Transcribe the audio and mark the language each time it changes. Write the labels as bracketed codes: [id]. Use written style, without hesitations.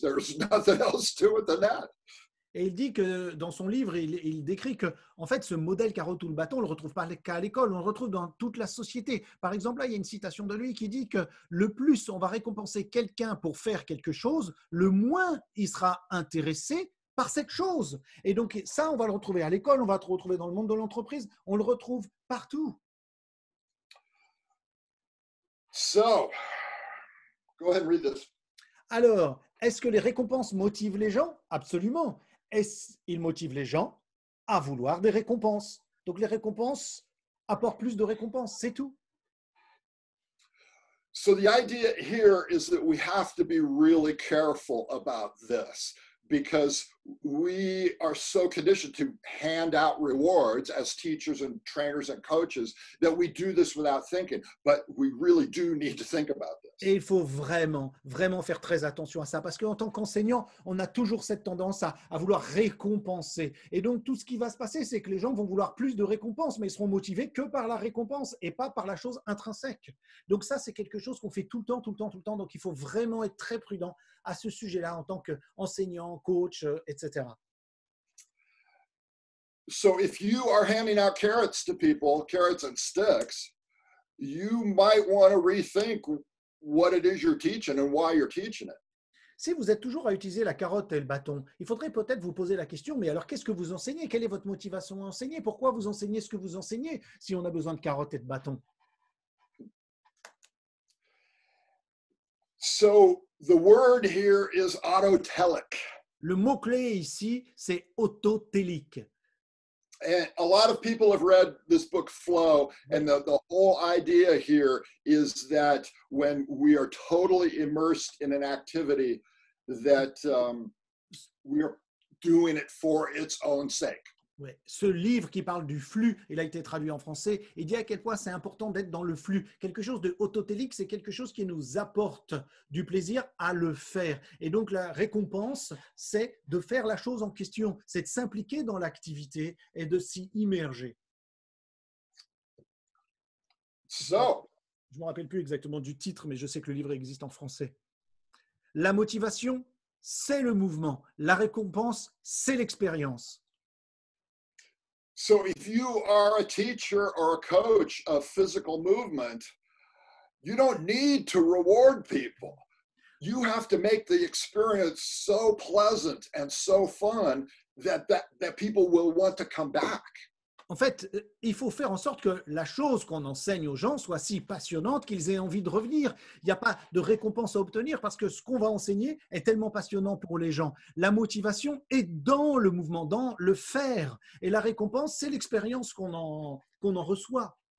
[en] There's nothing else to it than that. [fr] Et il dit que dans son livre, il décrit que, en fait, ce modèle carotte ou le bâton, on ne le retrouve pas qu'à l'école, on le retrouve dans toute la société. Par exemple, là, il y a une citation de lui qui dit que le plus on va récompenser quelqu'un pour faire quelque chose, le moins il sera intéressé par cette chose. Et donc, ça, on va le retrouver à l'école, on va le retrouver dans le monde de l'entreprise, on le retrouve partout. [en] So, go ahead and read this. [fr] Alors, est-ce que les récompenses motivent les gens? Absolument. Est-ce qu'ils motivent les gens à vouloir des récompenses? Donc, les récompenses apportent plus de récompenses, c'est tout. [en] So, the idea here is that we have to be really careful about this because we are so conditioned to hand out rewards as teachers and trainers and coaches that we do this without thinking, but we really do need to think about this. [fr] Et il faut vraiment, vraiment faire très attention à ça parce qu'en tant qu'enseignant, on a toujours cette tendance à vouloir récompenser. Et donc, tout ce qui va se passer, c'est que les gens vont vouloir plus de récompenses, mais ils seront motivés que par la récompense et pas par la chose intrinsèque. Donc ça, c'est quelque chose qu'on fait tout le temps, tout le temps, tout le temps. Donc, il faut vraiment être très prudent à ce sujet-là en tant qu'enseignant, coach, etc. [en] So, if you are handing out carrots to people, carrots and sticks, you might want to rethink what it is you're teaching and why you're teaching it. [fr] Si vous êtes toujours à utiliser la carotte et le bâton, il faudrait peut-être vous poser la question, mais alors qu'est-ce que vous enseignez? Quelle est votre motivation à enseigner? Pourquoi vous enseignez ce que vous enseignez si on a besoin de carottes et de bâtons? [en] So, the word here is autotelic. [fr] Le mot-clé ici, c'est autotelic. [en] And a lot of people have read this book, Flow, and the whole idea here is that when we are totally immersed in an activity, that we are doing it for its own sake. [fr] Ouais. Ce livre qui parle du flux, il a été traduit en français, il dit à quel point c'est important d'être dans le flux. Quelque chose de autotélique, c'est quelque chose qui nous apporte du plaisir à le faire. Et donc, la récompense, c'est de faire la chose en question, c'est de s'impliquer dans l'activité et de s'y immerger. [en] So, [fr] je ne me rappelle plus exactement du titre, mais je sais que le livre existe en français. La motivation, c'est le mouvement. La récompense, c'est l'expérience. [en] So if you are a teacher or a coach of physical movement, you don't need to reward people. You have to make the experience so pleasant and so fun that people will want to come back. [fr] En fait, il faut faire en sorte que la chose qu'on enseigne aux gens soit si passionnante qu'ils aient envie de revenir. Il n'y a pas de récompense à obtenir parce que ce qu'on va enseigner est tellement passionnant pour les gens. La motivation est dans le mouvement, dans le faire. Et la récompense, c'est l'expérience qu'on en reçoit.